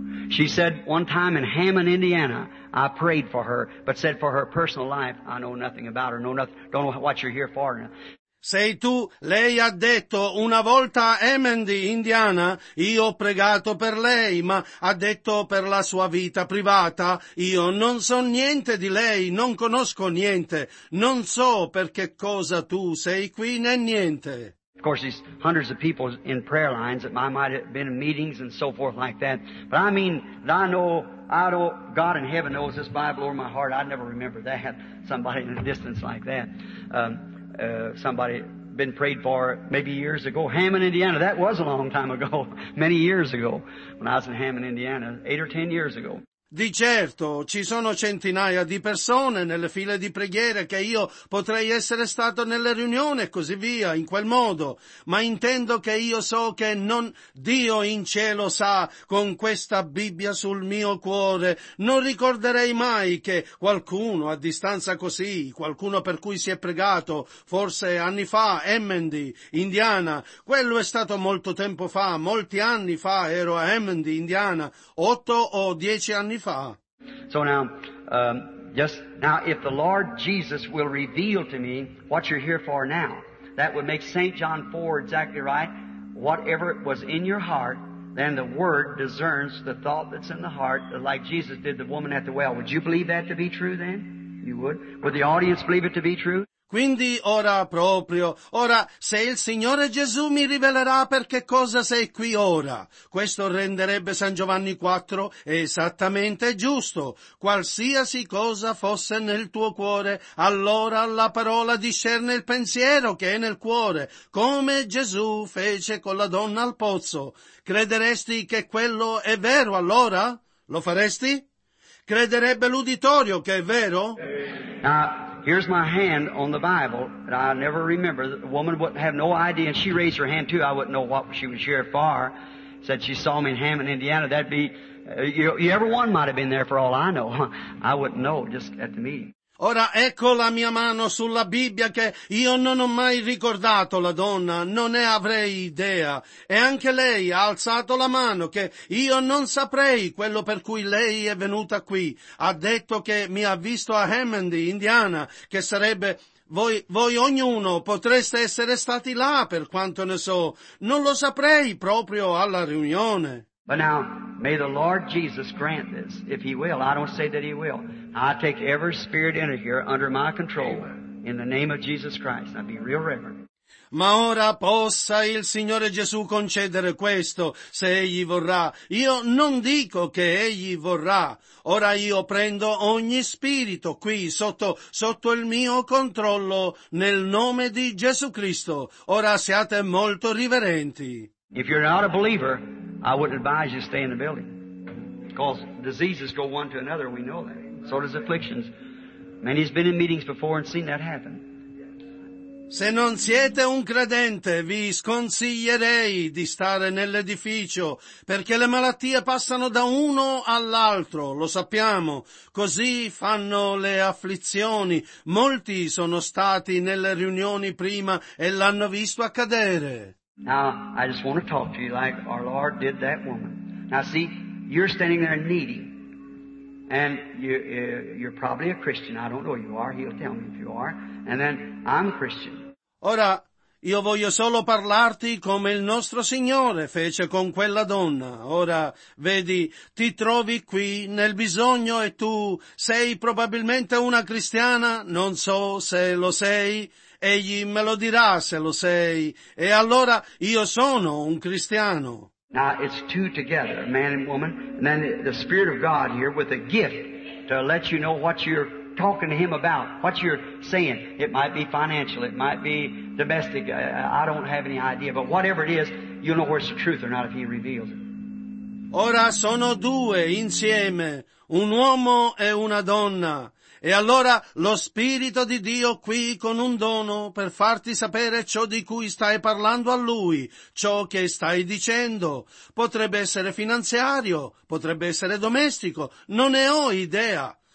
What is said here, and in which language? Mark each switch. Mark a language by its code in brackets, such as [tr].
[en] She said one time in Hammond, Indiana, I prayed for her, but said for her personal life, I know nothing about her, know nothing, don't know what you're here for. [it] Sei tu, lei ha detto, una volta a Hammond, Indiana, io ho pregato per lei, ma ha detto per la sua vita privata, io non so niente di lei, non conosco niente, non so per che cosa tu sei qui né niente. [en] Of course, there's hundreds of people in prayer lines that might have been in meetings and so forth like that. But I mean, I know God in heaven knows this Bible over my heart. I'd never remember that, somebody in the distance like that. Somebody been prayed for maybe years ago. Hammond, Indiana, that was a long time ago, many years ago, when I was in Hammond, Indiana, 8 or 10 years ago. [it] Di certo, ci sono centinaia di persone nelle file di preghiera che io potrei essere stato nelle riunioni e così via, in quel modo. Ma intendo che io so che non Dio in cielo sa, con questa Bibbia sul mio cuore, non ricorderei mai che qualcuno a distanza così, qualcuno per cui si è pregato, forse anni fa, Hammond, Indiana, quello è stato molto tempo fa, molti anni fa ero a Hammond, Indiana, 8 o 10 anni fa. [en] So now, just now, if the Lord Jesus will reveal to me what you're here for now, that would make St. John 4 exactly right. Whatever was in your heart, then the Word discerns the thought that's in the heart, like Jesus did the woman at the well. Would you believe that to be true then? You would? Would the audience believe it to be true? [it] Quindi ora proprio, ora se il Signore Gesù mi rivelerà per che cosa sei qui ora, questo renderebbe San Giovanni 4 esattamente giusto. Qualsiasi cosa fosse nel tuo cuore, allora la parola discerne il pensiero che è nel cuore, come Gesù fece con la donna al pozzo. Crederesti che quello è vero allora? Lo faresti? Crederebbe l'uditorio che è vero? [en] Here's my hand on the Bible, and I never remember. The woman would have no idea, and she raised her hand too. I wouldn't know what she was here for. Said she saw me in Hammond, Indiana. That'd be Everyone might have been there for all I know. I wouldn't know just at the meeting. [it] Ora ecco la mia mano sulla Bibbia che io non ho mai ricordato la donna, non ne avrei idea. E anche lei ha alzato la mano che io non saprei quello per cui lei è venuta qui. Ha detto che mi ha visto a Hammond, Indiana, che sarebbe... Voi ognuno potreste essere stati là, per quanto ne so. Non lo saprei proprio alla riunione. [en] But now, may the Lord Jesus grant this, if he will. I don't say that he will. I take every spirit in here under my control, in the name of Jesus Christ. I'll be real reverent. [it] Ma ora possa il Signore Gesù concedere questo, se Egli vorrà. Io non dico che Egli vorrà. Ora io prendo ogni spirito qui, sotto il mio controllo, nel nome di Gesù Cristo. Ora siate molto riverenti. [en] If you're not a believer, I wouldn't advise you to stay in the building. Because diseases go one to another, we know that. So does afflictions. Many's been in meetings before and seen that happen. [it] Se non siete un credente, vi sconsiglierei di stare nell'edificio, perché le malattie passano da uno all'altro, lo sappiamo. Così fanno le afflizioni. Molti sono stati nelle riunioni prima e l'hanno visto accadere. [en] Now, I just want to talk to you like our Lord did that woman. Now see, you're standing there needy, and you're probably a Christian. I don't know who you are. He'll tell me if you are. And then, I'm a Christian. [it] Ora, io voglio solo parlarti come il nostro Signore fece con quella donna. Ora, vedi, ti trovi qui nel bisogno e tu sei probabilmente una cristiana, non so se lo sei. Egli me lo dirà se lo sei. E allora io sono un cristiano. [en] Now it's two together, man and woman, and then the Spirit of God here with a gift to let you know what you're talking to him about, what you're saying. It might be financial, it might be domestic, I don't have any idea, but whatever it is, you'll know where it's the truth or not if he reveals it. [it] Ora sono due insieme, un uomo e una donna. E allora lo Spirito di Dio qui con un dono per farti sapere ciò di cui stai parlando a Lui, ciò che stai dicendo. Potrebbe essere finanziario, potrebbe essere domestico, non ne ho idea.